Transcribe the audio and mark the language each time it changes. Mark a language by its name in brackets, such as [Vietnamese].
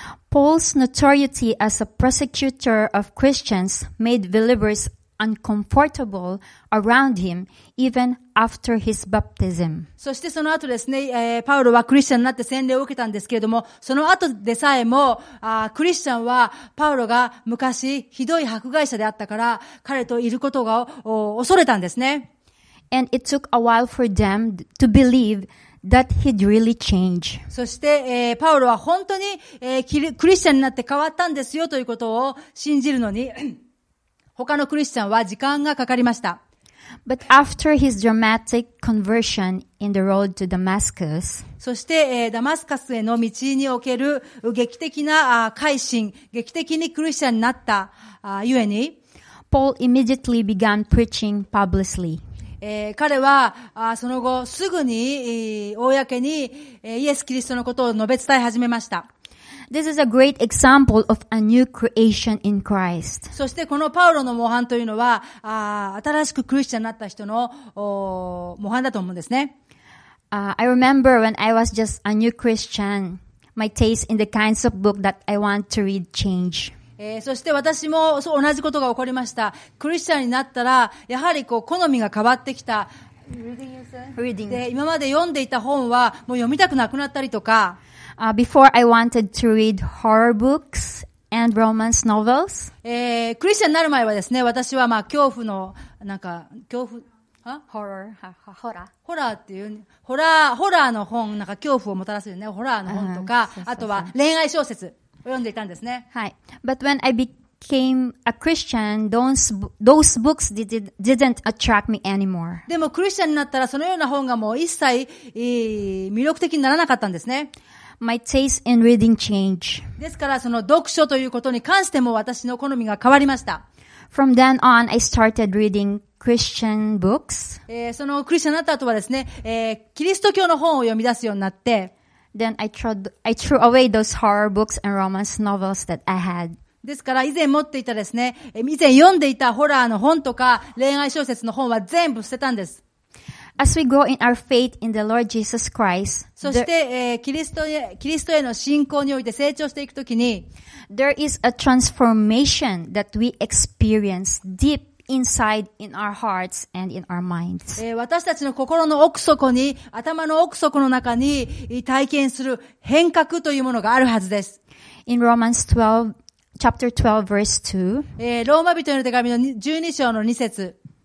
[English] Paul's notoriety as a persecutor of Christians made believers uncomfortable around him even after his baptism. [Japanese] そしてその後ですね、パウロはクリスチャンになって洗礼を受けたんですけれども、その後でさえも、クリスチャンはパウロが昔ひどい迫害者であったから彼といることが恐れたんですね。 [English] And it took a while for them to believeThat he'd really change. [Japanese] そして、パウロは本当に、クリスチャンになって変わったんですよということを信じるのに、他のクリスチャンは時間がかかりました。 [English] But after his dramatic conversion in the road to Damascus, [Japanese] そして、ダマスカスへの道における劇的な改心、劇的にクリスチャンになったゆえに、 [English] Paul immediately began preaching publicly. [Japanese] 彼はその後すぐに公にイエス・キリストのことを述べ伝え始めました。 [English] This is a great example of a new creation in Christ. [Japanese] そしてこのパウロの模範というのは新しくクリスチャンになった人の模範だと思うんですね。 [English] I remember when I was just a new Christian, my taste in the kinds of book that I want to read changed. [Japanese] そして私も同じことが起こりました。クリスチャンになったら、やはりこう好みが変わってきた。 [English] Reading. [Japanese] で、今まで読んでいた本はもう読みたくなくなったりとか。 [English] Before I wanted to read horror books and romance novels. [Japanese] クリスチャンになる前はですね、私はまあ恐怖の、なんか、恐怖、は ?horror, ホラー。ホラーっていう、ホラーの本、なんか恐怖をもたらすよね。ホラーの本とか、あとは恋愛小説。読んでいたんですね。はい。 [English] But when I became a Christian, those books didn't attract me anymore. [Japanese] でもクリスチャンになったらそのような本がもう一切魅力的にならなかったんですね。 [English] My taste in reading changed. [Japanese] ですからその読書ということに関しても私の好みが変わりました。 [English] From then on, I started reading Christian books. [Japanese] そのクリスチャンになった後はですね、キリスト教の本を読み出すようになって、 [English] Then I threw away those horror books and romance novels that I had. [Japanese] ですから以前持っていたですね、以前読んでいたホラーの本とか恋愛小説の本は全部捨てたんです。 [English] As we grow in our faith in the Lord Jesus Christ, [Japanese] そして、キリストへの信仰において成長していくときに、 [English] there is a transformation that we experience deep. Inside in our hearts and in our minds. [Japanese] 私たちの心の奥底に、頭の奥底の中に体験する変革というものがあるはずです。 [English] In Romans 12, chapter 12, verse 2. [Japanese] ローマ人への手紙の12章の2節。